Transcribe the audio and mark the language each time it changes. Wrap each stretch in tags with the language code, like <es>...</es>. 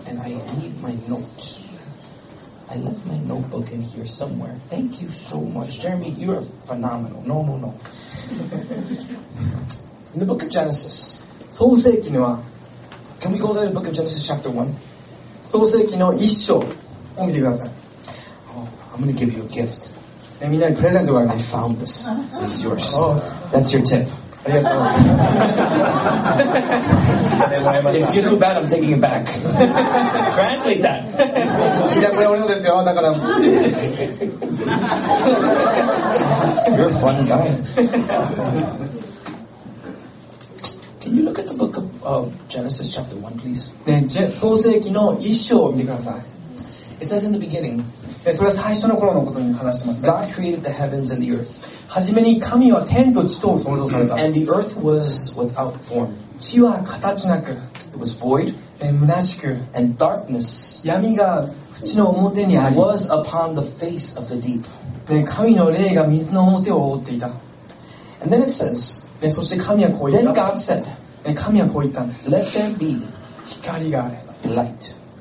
<en>And I need my notes. I left my notebook in here somewhere. Thank you so much. Jeremy, you are phenomenal. No. In the book of Genesis.</en> <ja>創世記には,</ja> <en>can we go to the book of Genesis chapter 1?</en> <ja>創世記の1章を見てください。</ja> <en>Oh, I'm going to give you a gift.</en> <ja>みんなにプレゼントがあります。</ja> <en>I found this. So it's yours. Oh. That's your tip.</en> <ja>ありがとう。</ja> <en>If you do bad, I'm taking it back. Translate that.</en> <ja>じゃあこれ俺のですよ、だから。</ja> <en>You're a fun guy. Can you look at the book of Genesis chapter 1, please?</en> <ja>네, 創世記の1章を見てください。</ja> <en>It says in the beginning,</en> <ja>네, それは最初の頃のことに話してますね。</ja> <en>God created the heavens and the earth.</en> <ja>初めに神は天と地とを創造された。</ja> <en>And the earth was without form.</en> <ja>地は形なく。</ja> <en>It was void.</en> <ja>네, 虚しく。</ja> <en>And darkness</en> <ja>闇が淵の表にあり。</ja> <en>Was upon the face of the deep.</en> <ja>네, 神の霊が水の表を覆っていた。</ja> <en>And then it says, Then God said, let there be light.</en>